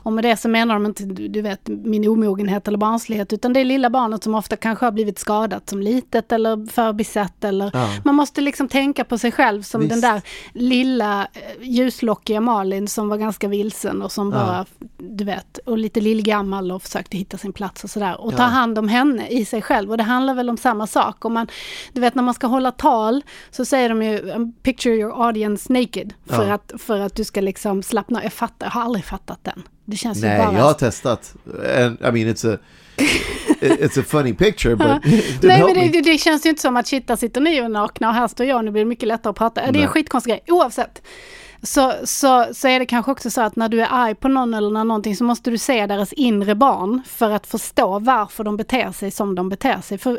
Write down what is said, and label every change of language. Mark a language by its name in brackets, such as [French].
[Swedish] Och med det så menar de inte, du vet, min omogenhet eller barnslighet, utan det är lilla barnet som ofta kanske har blivit skadat som litet eller förbisett eller, man måste liksom tänka på sig själv som den där lilla ljuslockiga Malin som var ganska vilsen och som bara, du vet, och lite lillgammal och försökte hitta hitta sin plats och sådär. Och ta hand om henne i sig själv. Och det handlar väl om samma sak. Om man, du vet, när man ska hålla tal så säger de ju [English] picture your audience naked. [Swedish] För, att, för att du ska liksom slappna. Jag fattar, jag har aldrig fattat den. Det känns nej, ju bara... jag har testat. [English] I mean, it's a funny picture, but [Swedish] nej, men det känns ju inte som att shitta sitter ni och nakna och här står jag, nu blir det mycket lättare att prata. Det är en skitkonstig grej, oavsett. Så är det kanske också så att när du är arg på någon eller när någonting så måste du se deras inre barn för att förstå varför de beter sig som de beter sig.